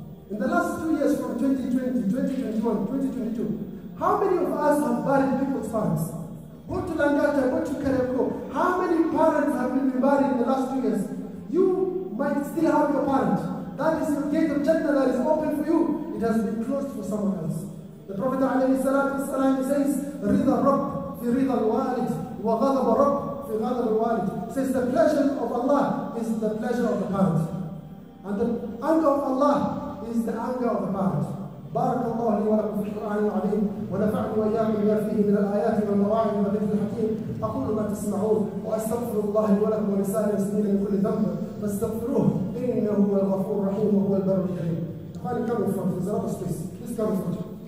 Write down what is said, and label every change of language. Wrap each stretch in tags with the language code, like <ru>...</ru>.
<en>In the last 2 years from 2020, 2021, 2022, how many of us have buried people's parents? Go to Langata, go to Kareko. How many parents have been buried in the last 2 years? You might still have your parent. That is the gate of Jannah that is open for you. It has been closed for someone else. The Prophet ﷺ says,</en> <ar>رِضَ رَبْ فِي رِضَ الْوَالِدِ وَغَضَبَ رَبْ فِي غَضَبَ الْوَالِدِ.</ar> <en>Says the pleasure of Allah is the pleasure of the parent. And the anger of Allah is the anger of the parent.</en> <ar>بارك الله لي ولكم في القرآن العظيم ونفعني وإياكم بما فيه من الآيات والمواعظ والذكر الحكيم أقول ما تسمعون وأستغفر الله لي ولكم ولسائر المسلمين من كل ذنب فاستغفروه إنه هو الغفور الرحيم وهو البر الكريم. أخواني كم فرصة زرعوا سبيس بس كم فرصة</ar>